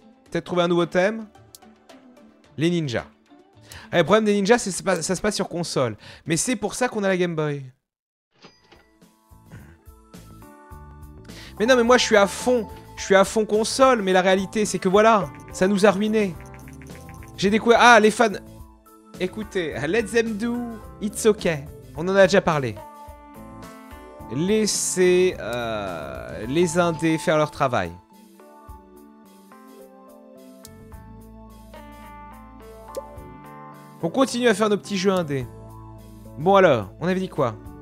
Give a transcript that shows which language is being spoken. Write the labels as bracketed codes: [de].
[fr] Peut-être trouver un nouveau thème. Les ninjas. Ah, le problème des ninjas, c'est ça se passe sur console. Mais c'est pour ça qu'on a la Game Boy. Mais non, mais moi, je suis à fond console, mais la réalité, c'est que voilà, ça nous a ruinés. J'ai découvert... Ah, les fans... Écoutez, [en] let them do, it's okay. [fr] On en a déjà parlé. Laissez les indés faire leur travail. On continue à faire nos petits jeux indés. Bon alors, on avait dit quoi?